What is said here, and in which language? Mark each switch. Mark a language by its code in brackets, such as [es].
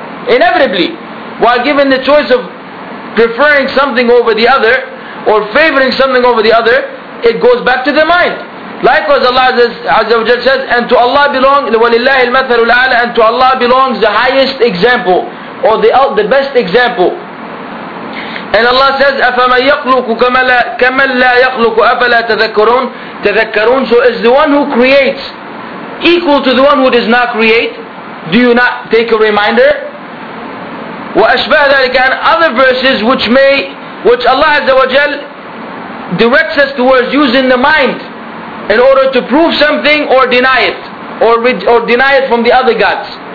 [en] Inevitably, while given the choice of preferring something over the other or favoring something over the other, it goes back to the mind. Likewise, Allah Azza wa Jalla says, and to Allah belongs, [ar] وَلِلَّهِ الْمَثَلُ الْعَالَى, [en] and to Allah belongs the highest example or the best example. And Allah says, [ar] أَفَمَنْ يَخْلُقُ كَمَنْ لَا يَخْلُقُ أَفَلَا تَذَكَّرُونَ. [en] So is the one who creates equal to the one who does not create? Do you not take a reminder? [ar] وَأَشْبَهَ ذَلِكَ. [en] And other verses which Allah Azza wa Jal directs us towards using the mind in order to prove something or deny it, or deny it from the other gods.